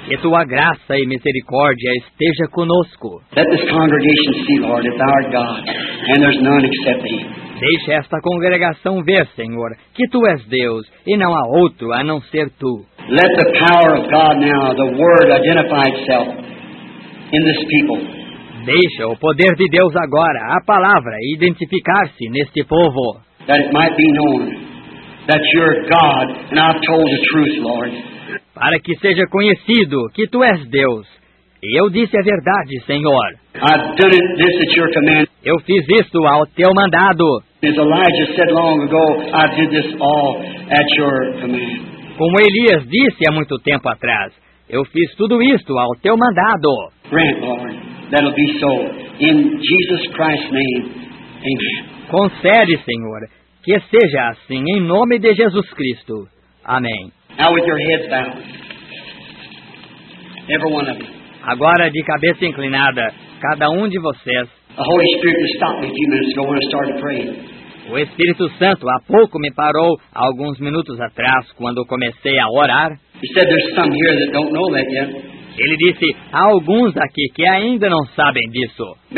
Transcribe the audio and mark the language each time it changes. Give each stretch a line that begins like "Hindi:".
Portuguese: Que tua graça e misericórdia esteja conosco.
English: Let this congregation see, Lord, that thou art God, and there's none except thee.
Portuguese: Deixe esta congregação ver, Senhor, que tu és Deus, e não há outro a não ser tu.
English: Let the power of God now, the word, identify itself in this people.
Portuguese: Deixa o poder de Deus agora, a palavra, identificar-se neste povo.
English: That it might be known that you're God, and I've told the truth, Lord.
Portuguese: Para que seja conhecido que tu és Deus. E eu disse a verdade, Senhor.
English: I've done it, this at your command.
Portuguese: Eu fiz isto ao teu mandado.
English: As Elijah said long ago, I did this all at your command.
Portuguese: Como Elias disse há muito tempo atrás, eu fiz tudo isto ao teu mandado.
English: Grant, Lord, that it'll be so. In Jesus Christ's name, amen.
Portuguese: Concede, Senhor, que seja assim, em nome de Jesus Cristo. Amém.
English: Now with your heads bowed. Every one of you.
Portuguese: Agora de cabeça inclinada, cada um de vocês.
English: The Holy Spirit just stopped me a few minutes ago when I started praying.
Portuguese: O Espírito Santo há pouco me parou, alguns minutos atrás, quando comecei a orar.
English: He said there's some here that don't know that yet.
Portuguese: Ele disse, há alguns aqui que ainda não sabem disso.